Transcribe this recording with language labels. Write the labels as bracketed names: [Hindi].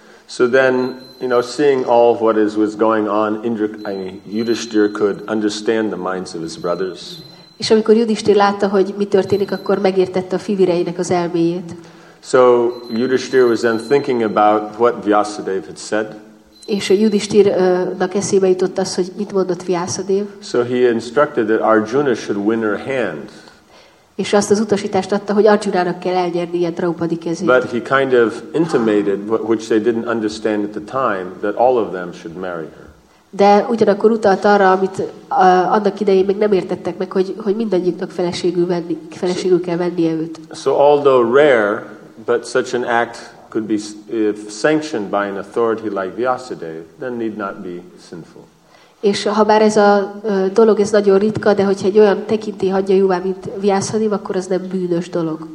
[English] So then, you know, seeing all of what was going on, Yudhishthir could understand the minds of his brothers. [Hungarian] És amikor Yudhishthir látta, hogy mi történik, akkor megértette a fivéreinek az elméjét. [English] So Yudhishthir was then thinking about what Vyasadeva had said. [Hungarian] És a Yudhishthirnak eszébe jutott az, hogy mit mondott Vyasadev. [English] So he instructed that Arjuna should win her hand. [Hungarian] És azt az utasítást adta, hogy Arjunának kell elnyernie Draupadi kezét. [English] But he kind of intimated, which they didn't understand at the time, that all of them should marry her. [Hungarian] De ugyanakkor utalt arra, amit annak idején még nem értettek meg, hogy mindannyiuknak feleségül kell vennie őt. [English] So although rare, but such an act could be if sanctioned by an authority like Vyasadeva, then need not be sinful. [Hungarian] És ha bár ez a dolog ez nagyon ritka, de hogyha egy olyan tekintély hagyja jóvá, mint Vyasadeva, akkor az nem bűnös dolog.